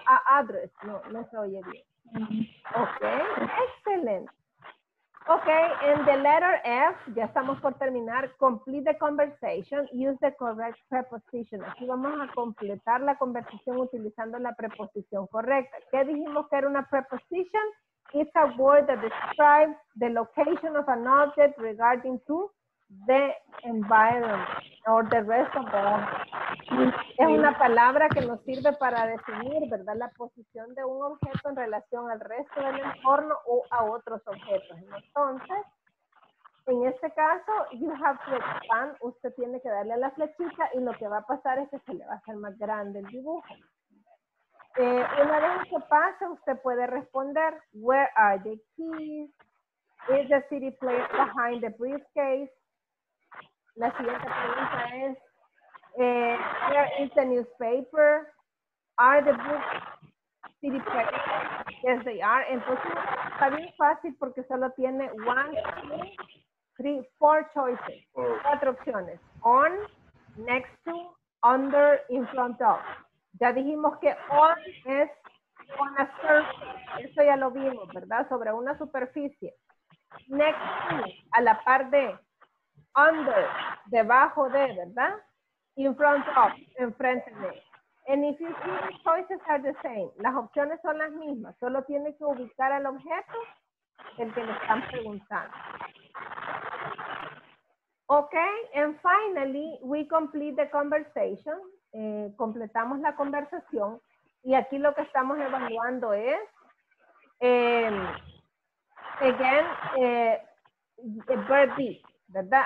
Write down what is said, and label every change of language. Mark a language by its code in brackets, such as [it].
[es] A address, no se oye bien. Ok, excelente. [en] Ok, en the letter F, [es] ya estamos por terminar, [en] complete the conversation, use the correct preposition. [es] Aquí vamos a completar la conversación utilizando la preposición correcta. ¿Qué dijimos que era una preposición? [en] It's a word that describes the location of an object regarding to the environment or the rest of the object. [es] Es una palabra que nos sirve para definir, ¿verdad?, la posición de un objeto en relación al resto del entorno o a otros objetos. Entonces, en este caso, [en] you have to expand, [es] usted tiene que darle a la flechita y lo que va a pasar es que se le va a hacer más grande el dibujo. Una vez que pase, usted puede responder, [en] where are the keys? Is the city plate behind the briefcase? [es] La siguiente pregunta es, [en] where is the newspaper? Are the books city plate? Yes, they are. [es] Entonces, está bien fácil porque solo tiene [en] one, two, three, four choices. [es] Cuatro opciones. On, next to, under, in front of. Ya dijimos que on es on a surface. Eso ya lo vimos, ¿verdad? Sobre una superficie. Next to, a la par de, under, debajo de, ¿verdad? In front of, enfrente de. [en] And if you see, the choices are the same. [es] Las opciones son las mismas. Solo tiene que ubicar al objeto el que le están preguntando. [en] Ok, and finally, we complete the conversation. [es] Completamos la conversación. Y aquí lo que estamos evaluando es, verb be. ¿Verdad?